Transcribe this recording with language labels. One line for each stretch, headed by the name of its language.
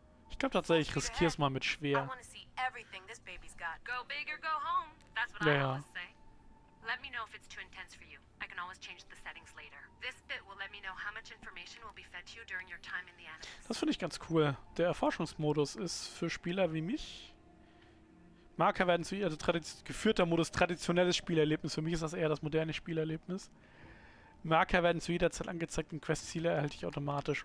German: Ich glaube tatsächlich, ich riskiere es mal mit schwer.
English: I want to see everything this baby's got. Go big or go home. That's what I always say. Let me know if it's too intense for you. I can always change the settings later. This bit will let me know how much information will be fed to you during your time in the Animus.
German: Das finde ich ganz cool. Der Erforschungsmodus ist für Spieler wie mich. Marker werden zu ihr, also geführter Modus, traditionelles Spielerlebnis. Für mich ist das eher das moderne Spielerlebnis. Marker werden zu jeder Zeit angezeigt und Questziele erhalte ich automatisch.